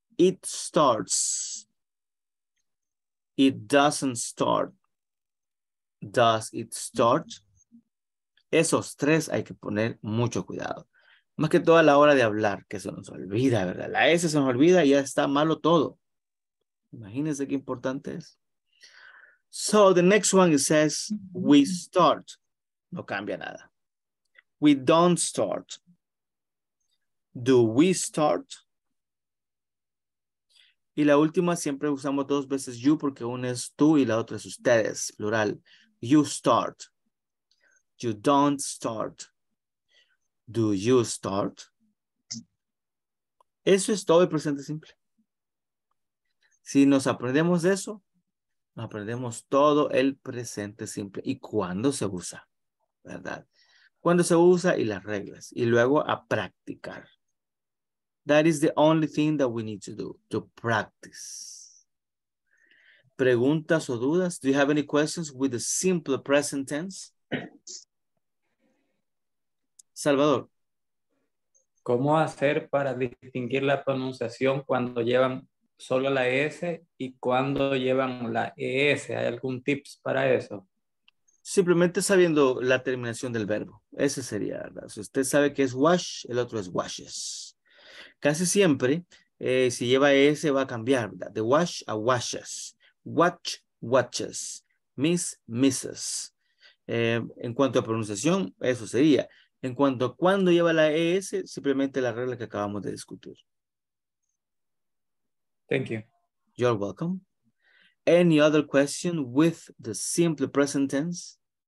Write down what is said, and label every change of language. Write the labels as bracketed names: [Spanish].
[English] It starts. It doesn't start. Does it start? [Spanish] Esos tres hay que poner mucho cuidado. Más que todo a la hora de hablar, que se nos olvida, ¿verdad? La S se nos olvida y ya está malo todo. Imagínense qué importante es. [English] So, the next one it says, we start. [Spanish] No cambia nada. [English] We don't start. Do we start? [Spanish] Y la última siempre usamos dos veces you porque una es tú y la otra es ustedes, plural. [English] You start. You don't start. Do you start? [Spanish] Eso es todo el presente simple. Si nos aprendemos eso, aprendemos todo el presente simple. ¿Y cuándo se usa? ¿Verdad? ¿Cuándo se usa? Y las reglas. Y luego a practicar. [English] That is the only thing that we need to do, to practice. [Spanish] ¿Preguntas o dudas? [English] Do you have any questions with the simple present tense? [Spanish] Salvador. ¿Cómo hacer para distinguir la pronunciación cuando llevan solo la S y cuando llevan la ES? ¿Hay algún tips para eso? Simplemente sabiendo la terminación del verbo. Ese sería, ¿verdad? Si usted sabe que es wash, el otro es washes. Casi siempre, si lleva S, va a cambiar, ¿verdad? De wash a washes. Watch, watches. Miss, misses. En cuanto a pronunciación, eso sería. En cuanto a cuando lleva la ES, simplemente la regla que acabamos de discutir. [English] Thank you. You're welcome. Any other question with the simple present tense?